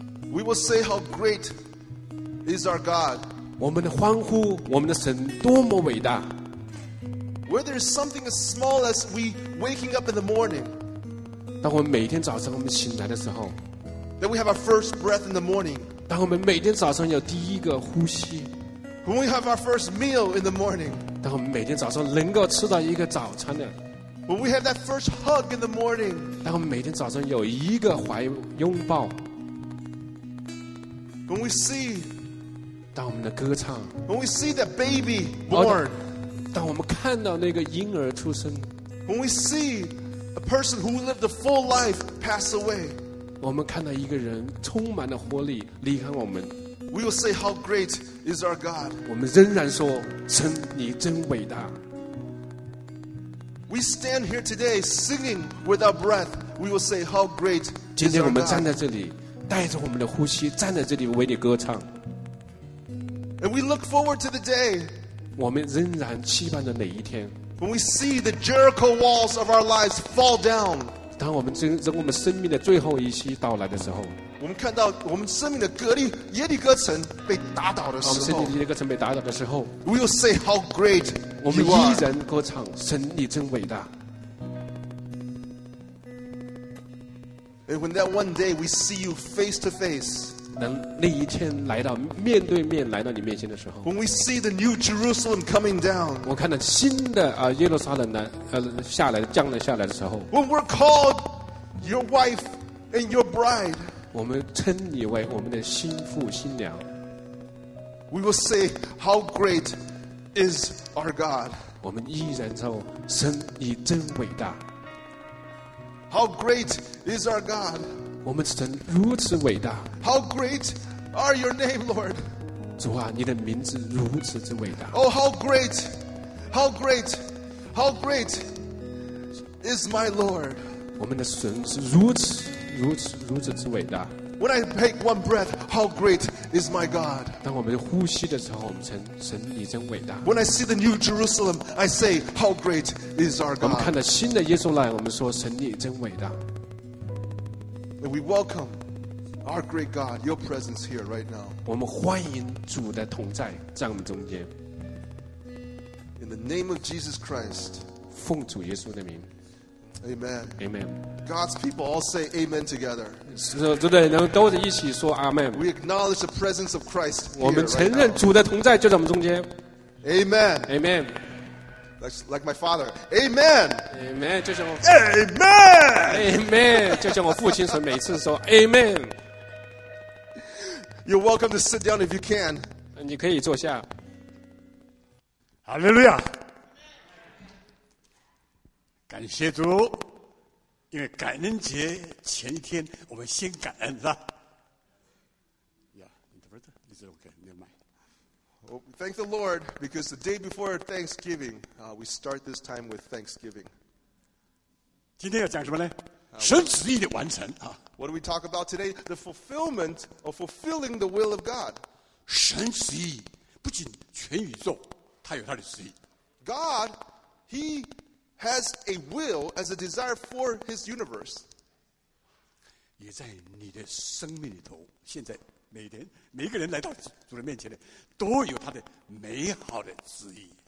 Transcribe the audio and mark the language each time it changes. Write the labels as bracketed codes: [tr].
[en] We will say how great is our God. [zh] 我们的欢呼，我们的神多么伟大。 [en] Whether it's something as small as we waking up in the morning. [zh] 当我们每天早上我们醒来的时候。 [en] That we have our first breath in the morning. [zh] 当我们每天早上有第一个呼吸。 [en] When we have our first meal in the morning. [zh] 当我们每天早上能够吃到一个早餐的。 [en] When we have that first hug in the morning. [zh] 当我们每天早上有一个怀拥抱。 [en] When we see, [zh] 当我们的歌唱。 [en] When we see the baby born, [zh] 当我们看到那个婴儿出生。 [en] When we see a person who lived a full life pass away, [zh] 我们看到一个人充满了活力离开我们。 [en] We will say how great is our God. [zh] 我们仍然说，神你真伟大。 [en] We stand here today singing with our breath. We will say how great is our God. [zh] 今天我们站在这里。带着我们的呼吸站在这里为你歌唱。 [en] And we look forward to the day. [zh] 我们仍然期盼着哪一天。 [en] When we see the Jericho walls of our lives fall down. [zh] 当我们从我们生命的最后一息到来的时候。我们看到我们生命的耶利哥城被打倒的时候。我们生命的耶利哥城被打倒的时候。 [en] We will say how great you are. [zh] 我们依然歌唱神你真伟大。 [en] And when that one day we see you face to face, [zh] 能那一天来到面对面来到你面前的时候 [en] ，when we see the new Jerusalem coming down, [zh] 我看到新的耶路撒冷下来降了下来的时候 [en] ，when we're called your wife and your bride, [zh] 我们称你为我们的新妇新娘 [en] ，we will say how great is our God. [zh] 我们依然说神你真伟大。 [en] How great is our God? [zh] 我们神如此伟大。 [en] How great are your name, Lord? [zh] 主啊，你的名字如此之伟大。 [en] Oh, how great, how great, how great is my Lord? [zh] 我们的神是如此如此如此之伟大。 [en] When I take one breath, how great is my God? [zh] 当我们呼吸的时候，我们称神你真伟大。 [en] When I see the new Jerusalem, I say, how great is our God? [zh] 我们看到新的耶路撒冷，我们说神你真伟大。 [en] And we welcome our great God, your presence here right now. [zh] 我们欢迎主的同在在我们中间。 [en] In the name of Jesus Christ. [zh] 奉主耶稣的名。 [en] Amen. Amen. God's people all say Amen together. [zh] 对对，能都一起说阿门。 [en] We acknowledge the presence of Christ here. [zh] 我们承认主的同在就在我们中间。 [en] Amen. Amen. Like my father. Amen. [zh] Amen. 就像我。 [en] Amen. [zh] Amen. 就像我父亲说，每次说 Amen. [en] You're welcome to sit down if you can. [zh] 你可以坐下。 [en] Hallelujah. [zh] 感谢主，因为感恩节前一天，我们先感恩是吧？呀，你这边的，你这边 OK， 你买。 [en] Thank the Lord because the day before Thanksgiving, we start this time with Thanksgiving. [zh] 今天要讲什么呢？神旨意的完成啊。 [en] What do we talk about today? The fulfillment of fulfilling the will of God. [zh] 神旨意不仅全宇宙，他有他的旨意。 [en] God, He. Has a will as a desire for his universe. [zh] 也在你的生命里头，现在每天每一个人来到主的面前的，都有他的美好的旨意。